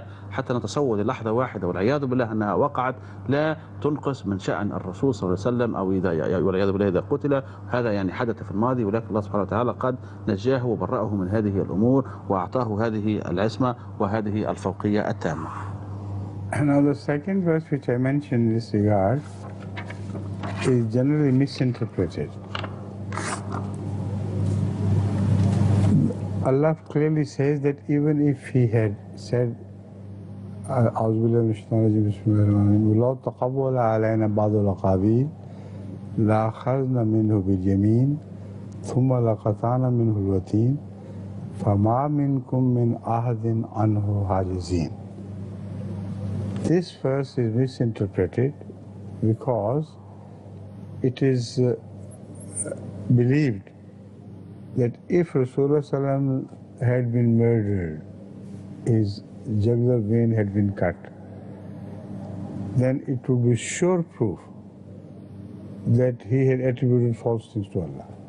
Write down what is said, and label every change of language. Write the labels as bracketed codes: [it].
[ar] حتى نتصور لحظة واحدة والعياذ بالله أنها وقعت لا تنقص من شأن الرسول صلى الله عليه وسلم أو إذا والعياذ بالله إذا قتل هذا يعني حدث في الماضي ولكن الله سبحانه وتعالى قد نجاه وبرأه من هذه الأمور وأعطاه هذه العصمة وهذه الفوقية التامة. [en] Now the second verse which I mentioned in this regard is generally misinterpreted. [ar] Allah clearly says that even if he had said أعوذ بالله من الشيطان الرجيم بسم الله الرحمن الرحيم لو تقبل علينا بعض الأقابيل لأخذنا منه باليمين ثم لقطعنا منه الوتين فما منكم من أحد عنه حاجزين. [en] This verse is misinterpreted because it is believed that if Rasulullah Sallam had been murdered, his jugular vein had been cut, then it would be sure proof that he had attributed false things to Allah.